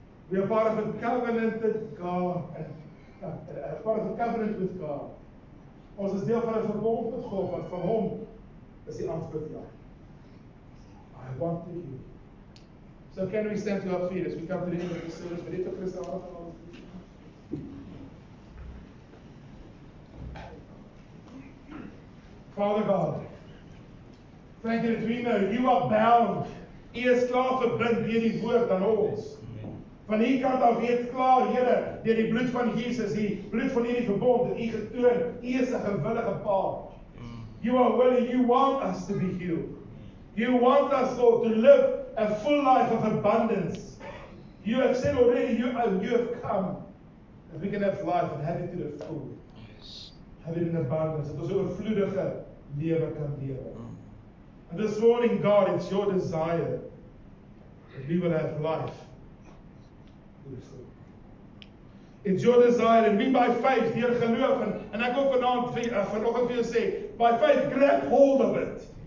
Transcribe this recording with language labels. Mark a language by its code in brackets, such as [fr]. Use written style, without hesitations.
[en] We are part of a covenant with God. Part of a covenant with God. [af] Ons is deel van een verbond met God, want van hom is die antwoord ja. [en] I want to hear. So can we stand to our feet as we come to the end of the service? We need to press our hands. Father God, thank you that we know you are bound. [af] U is klaar verbind deur die woord aan ons. Van hier kant af weet klaar, Here, deur die bloed van Jesus, die bloed van hierdie verbond, dat u getoon, u is 'n gewillige pa. [en] You are willing, you want us to be healed. You want us, Lord, to live a full life of abundance. You have said already, you have come, that we can have life and have it to the full. Yes. Have it in abundance. [af] Dat ons 'n oorvloedige lewe kan lewe. [en] And this morning, God, it's your desire that we will have life. It's your desire, and we by faith, [af] deur geloof, en ek wil vanoggend vir jou sê, [en] by faith, grab hold of it.